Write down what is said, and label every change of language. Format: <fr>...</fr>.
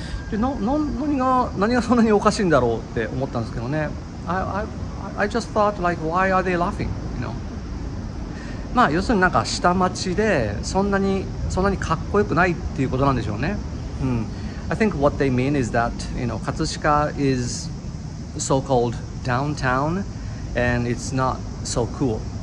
<ja>何がそんなにおかしいんだろうって思ったんですけどね。</ja> <en>I just thought like why are they laughing you know。</en> <ja>まあ要するになんか下町でそんなにかっこよくないっていうことなんでしょうね。</ja> <en>I think what they mean is that you know 葛飾 is so called downtown and it's not so cool。</en>